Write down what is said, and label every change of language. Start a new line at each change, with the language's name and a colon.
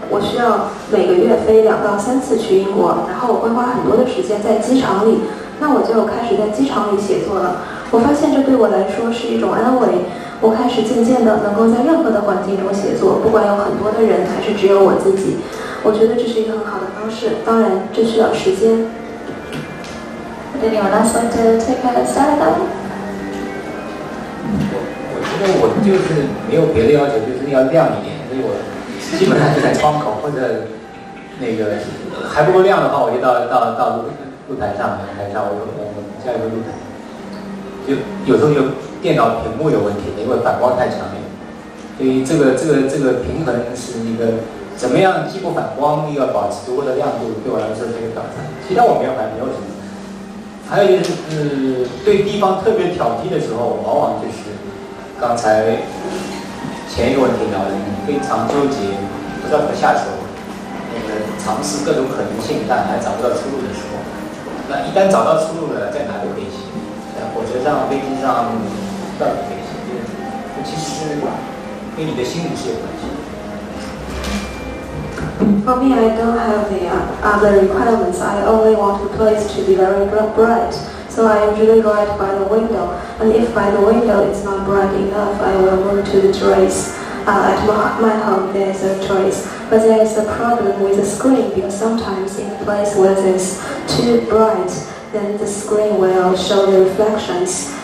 Chinese: 我需要每个月飞2到3次去英国，然后我会花很多的时间在机场里，那我就开始在机场里写作了。我发现这对我来说是一种安慰。我开始渐渐地能够在任何的环境中写作，不管有很多的人还是只有我自己。我觉得这是一个很好的方式，当然这需要时间。
English: Would anyone else like to take a stab at that?
Chinese: 我觉得我就是没有别的要求，就是要亮一点，所以我基本上是在窗口或者那个还不够亮的话，我就到舞台上，我们加一个露台。就有时候有电脑屏幕有问题，因为反光太强烈，所以这个平衡是一个怎么样，既不反光又要保持足够的亮度，对我来说是一个挑战。其他我没有反，没有什么。还有一个就是对地方特别挑剔的时候，往往就是刚才前一个问题聊的，非常纠结，不知道怎么下手，尝试各种可能性，但还找不到出路的时候。那一旦找到出路了，在哪都可以行。在火车上、飞机上，到底可以行？就其实跟你的心理是有关系。
English: For me, I don't have the other requirements. I only want the place to be very bright. So I usually write by the window. And if by the window it's not bright enough, I will move to the terrace. At my home, there's a terrace. But there is a problem with the screen, because sometimes in a place where it's too bright, then the screen will show the reflections.